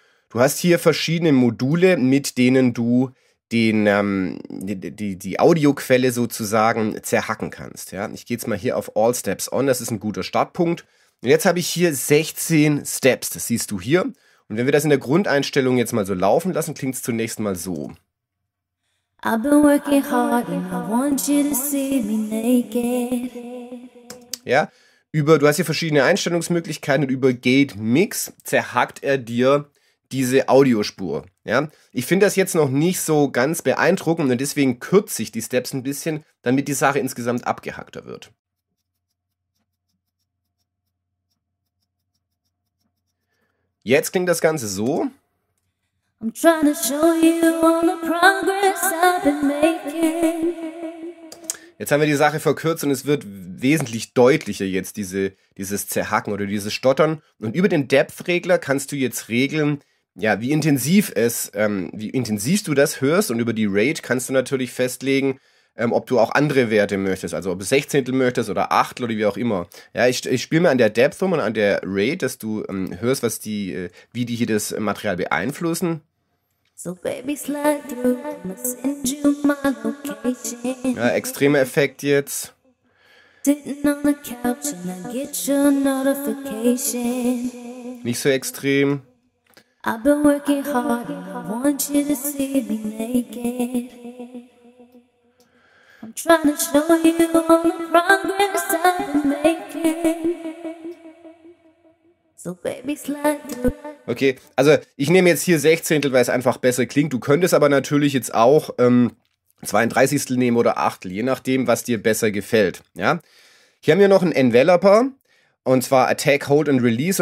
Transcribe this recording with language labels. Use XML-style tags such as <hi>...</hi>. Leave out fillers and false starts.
<de>Du hast hier verschiedene Module, mit denen du die Audioquelle sozusagen zerhacken kannst. Ja? Ich gehe jetzt mal hier auf All Steps On, das ist ein guter Startpunkt. Und jetzt habe ich hier 16 Steps, das siehst du hier. Und wenn wir das in der Grundeinstellung jetzt mal so laufen lassen, klingt es zunächst mal so.</de> <en>I've been working hard and I want you to see me naked.</en> <de>Ja, du hast hier verschiedene Einstellungsmöglichkeiten und über Gate Mix zerhackt er dir diese Audiospur. Ja, ich finde das jetzt noch nicht so ganz beeindruckend und deswegen kürze ich die Steps ein bisschen, damit die Sache insgesamt abgehackter wird. Jetzt klingt das Ganze so.</de> <en>I'm trying to show you all the progress I've been making.</en> <de>Jetzt haben wir die Sache verkürzt und es wird wesentlich deutlicher jetzt, dieses Zerhacken oder dieses Stottern. Und über den Depth-Regler kannst du jetzt regeln, ja, wie intensiv du das hörst. Und über die Rate kannst du natürlich festlegen, ob du auch andere Werte möchtest. Also ob du 16 möchtest oder 8 oder wie auch immer. Ja, ich spiele mal an der Depth rum und an der Rate, dass du hörst, was die, wie die hier das Material beeinflussen.</de> <en>So baby slide through, I'm gonna send you my location.</en> <de>Ja, extremer Effekt jetzt.</de> <en>Sitting on the couch and I get your notification.</en> <de>Nicht so extrem.</de> <en>I've been working hard and I want you to see me naked. I'm trying to show you all the progress I'm making. So baby slide.</en> <de>Okay, also ich nehme jetzt hier 16, weil es einfach besser klingt. Du könntest aber natürlich jetzt auch 32 nehmen oder 8, je nachdem, was dir besser gefällt. Ja? Hier haben wir noch einen Enveloper, und zwar Attack, Hold and Release.</de>